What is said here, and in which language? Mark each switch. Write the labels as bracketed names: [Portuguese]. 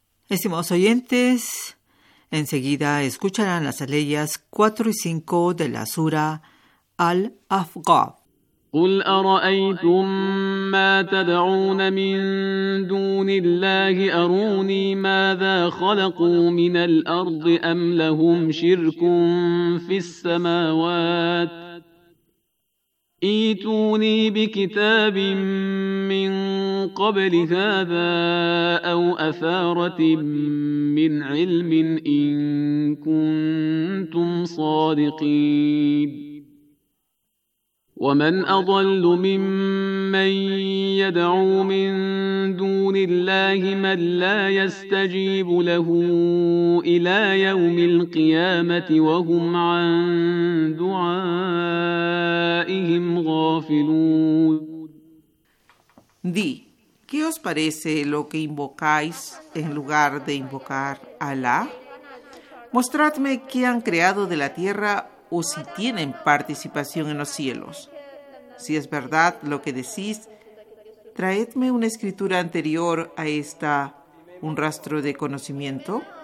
[Spanish] Estimados oyentes, Enseguida escucharán las aleyas 4 y 5 de la sura Al-Ahqaf. [Arabic] قل أرأيتم ما تدعون من دون الله أروني ماذا خلقوا من الأرض أم لهم شرك في السماوات إيتوني بكتاب من قبل هذا أو أثارة من علم إن كنتم صادقين ومن أضل ممن يدعو من دون الله من لا يستجيب له إلى يوم القيامة وهم عن دعائهم غافلون. [Spanish] Di, ¿qué os parece lo que invocáis en lugar de invocar a Alá? Mostradme qué han creado de la tierra o si tienen participación en los cielos. Si es verdad lo que decís, traedme una escritura anterior a esta, un rastro de conocimiento.